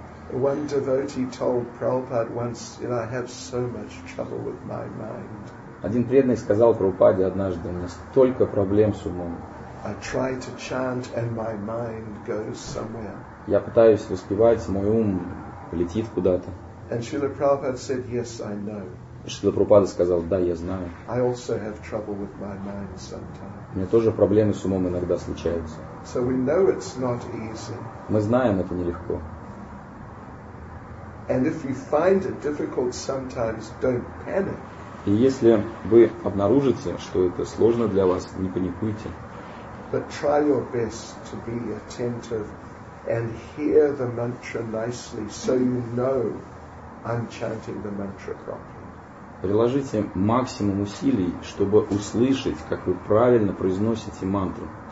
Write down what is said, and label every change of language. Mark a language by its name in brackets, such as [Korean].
[English] One devotee told Prabhupada once, you know, I have so much trouble with my mind. [Russian] Один преданный сказал Прабхупаде однажды, у меня столько проблем с умом. [English] I try to chant and my mind goes somewhere. [Russian] Я пытаюсь воспевать, мой ум летит куда-то. [English] And Srila Prabhupada said, yes, I know. [Russian] Шрила Прабхупада сказал, да, я знаю. [English] I also have trouble with my mind sometimes. [Russian] У меня тоже проблемы с умом иногда случаются. [English] So we know it's not easy. [Russian] Мы знаем, это нелегко. [English] And if you find it difficult sometimes, don't panic. [Russian] И если вы обнаружите, что это сложно для вас, не паникуйте. [English] But try your best to be attentive and hear the mantra nicely, so you know I'm chanting the mantra properly. [Russian] Приложите максимум усилий, чтобы услышать, как вы правильно произносите мантру.